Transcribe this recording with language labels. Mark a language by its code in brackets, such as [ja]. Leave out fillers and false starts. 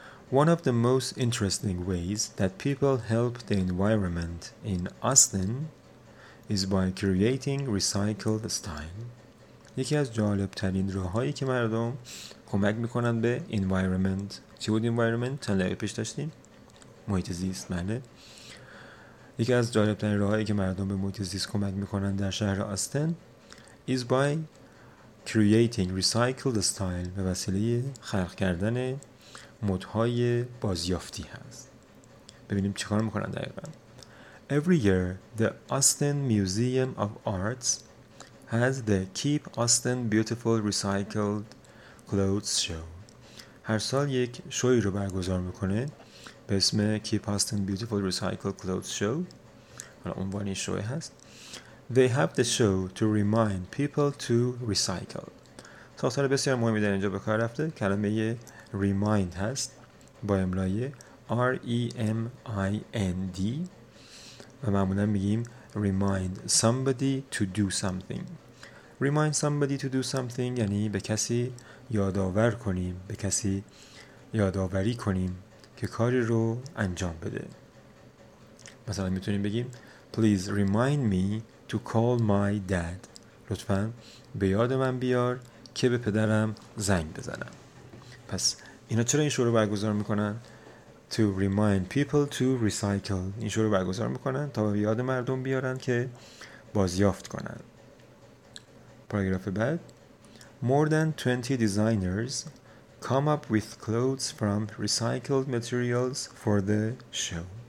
[en] One of the most interesting ways that people help the environment in Austin is by creating recycled style. [fa] یکی از جالبترین راههایی که مردم کمک میکنن به environment، چی بود environment؟ چند لقیه پیش داشتیم؟ محیط زیست. معنی یکی از جالبترین راههایی که مردم به محیط زیست کمک میکنن در شهر آستن [en] is by creating recycled style، [fa] به وسیله خلق کردن مدهای بازیافتی هست. ببینیم چی کار میکنن دقیقا. [en] Every year the Austin Museum of Arts has the Keep Austin Beautiful Recycled Clothes Show. [fa] هر سال یک شوی رو برگزار میکنه به اسم Keep Austin Beautiful Recycled Clothes Show. حالا عنوان این شوی هست. [en] They have the show to remind people to recycle. [fa] ساختار بسیار مهمی در اینجا به کار رفته. کلمه remind هست با املای R-E-M-I-N-D و معمولا میگیم [en] remind somebody to do something. Remind somebody to do something [fa] یعنی به کسی یادآور کنیم، به کسی یادآوری کنیم که کاری رو انجام بده. مثلا میتونیم بگیم [en] Please remind me to call my dad. [fa] لطفاً به یاد من بیار که به پدرم زنگ بزنم. پس اینا چرا این شروع برگزار میکنن؟ [en] To remind people to recycle. [fa] این شروع برگزار میکنن تا به یاد مردم بیارن که بازیافت کنن. پاراگراف بعد [en] More than 20 designers come up with clothes from recycled materials for the show.